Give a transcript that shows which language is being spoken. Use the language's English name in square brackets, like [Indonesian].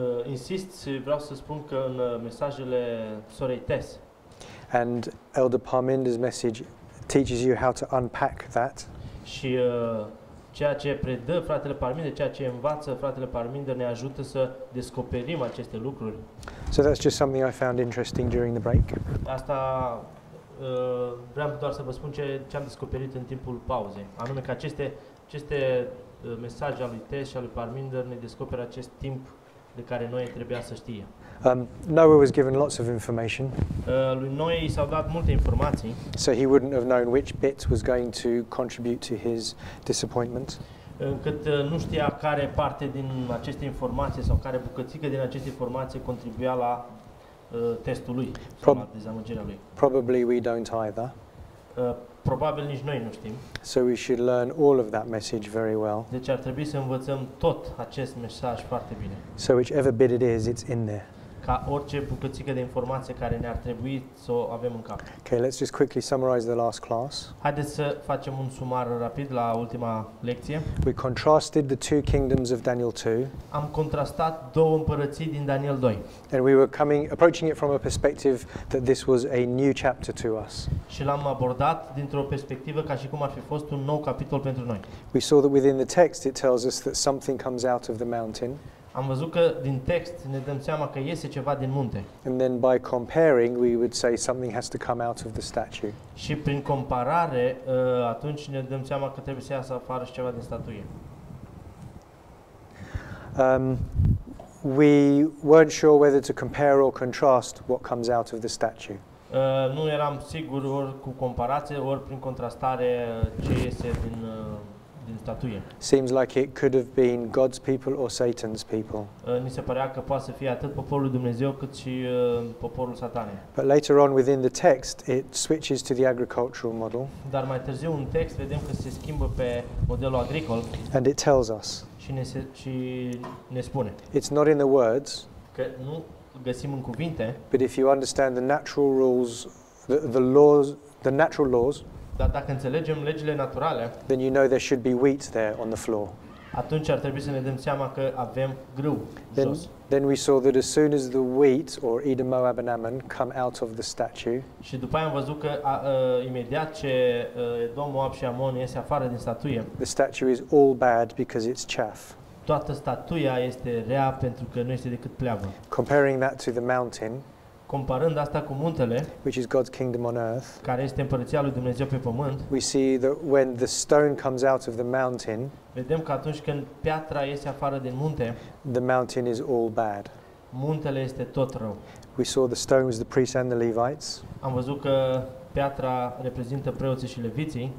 [Romanian] Insist și vreau să spun că în mesajele sorei Tess. [English] And Elder Parminder's message teaches you how to unpack that. [Romanian] Și ceea ce predă fratele Parminder, ceea ce învață fratele Parminder ne ajută să descoperim aceste lucruri. [English] So that's just something I found interesting during the break. [Romanian] Asta vreau doar să vă spun ce am descoperit în timpul pauzei. Anume că aceste mesaje ale lui Tess și ale lui Parminder ne descoperă acest timp de care noi trebuia să știe. [English] Noah was given lots of information. [Romanian] Lui Noe i s-au dat multe informații. [English] So he wouldn't have known which bit was going to contribute to his disappointment. [Romanian] Încât nu știa care parte din aceste informații sau care bucățică din aceste informații contribuia la testul lui, la dezamăgirea lui. [English] Probably we don't either. [Romanian] Probabil nici noi nu știm. [English] So we should learn all of that message very well. [Romanian] Deci ar trebui să învățăm tot acest mesaj foarte bine. [English] So whichever bit it is, it's in there. [Romanian] Ca orice bucățică de informație care ne-ar trebui să o avem în cap. [English] Okay, let's just quickly summarize the last class. [Romanian] Haideți să facem un sumar rapid la ultima lecție. [English] We contrasted the two kingdoms of Daniel 2. [Romanian] Am contrastat două împărății din Daniel 2. [English] And we were approaching it from a perspective that this was a new chapter to us. [Romanian] Și l-am abordat dintr-o perspectivă ca și cum ar fi fost un nou capitol pentru noi. [English] We saw that within the text it tells us that something comes out of the mountain. [Romanian] Am văzut că din text ne dăm seama că iese ceva din munte. [English] And then by comparing we would say something has to come out of the statue. [Romanian] Și prin comparare, atunci ne dăm seama că trebuie să iasă afară și ceva din statuie. [English] We weren't sure whether to compare or contrast what comes out of the statue. [Romanian] Nu eram sigur ori cu comparație, ori prin contrastare ce iese din statuie. [English] Seems like it could have been God's people or Satan's people. [Romanian] Ni se părea că poate să fie atât poporul lui Dumnezeu cât și poporul satanei. [English] But later on within the text it switches to the agricultural model. [Romanian] Dar mai târziu în text vedem că se schimbă pe modelul agricol. [English] And it tells us. [Romanian] Și ne spune. [English] It's not in the words. [Romanian] Că nu găsim în cuvinte. [English] But if you understand the natural rules, the natural laws, [Romanian] dar dacă înțelegem legile naturale, [English] then you know there should be wheat there on the floor. [Romanian] atunci ar trebui să ne dăm seama că avem grâu jos. [English] Then we saw that as soon as the wheat or Edom, Moab and Ammon come out of the statue. [Romanian] Și după aia am văzut că imediat ce Edom, Moab și Amon iese afară din statuie. [English] The statue is all bad because it's chaff. [Romanian] Toată statuia este rea pentru că nu este decât pleavă. [English] Comparing that to the mountain, [Romanian] comparând asta cu muntele, [English] which is God's kingdom on earth, [Romanian] care este împărăția lui Dumnezeu pe pământ, [English] we see that when the stone comes out of the mountain, [Romanian] vedem că atunci când piatra iese afară din munte, [English] the mountain is all bad. [Romanian] Muntele este tot rău. [English] We saw the stone was the priests and the Levites. [Romanian] Am văzut că piatra reprezintă preoții și leviții.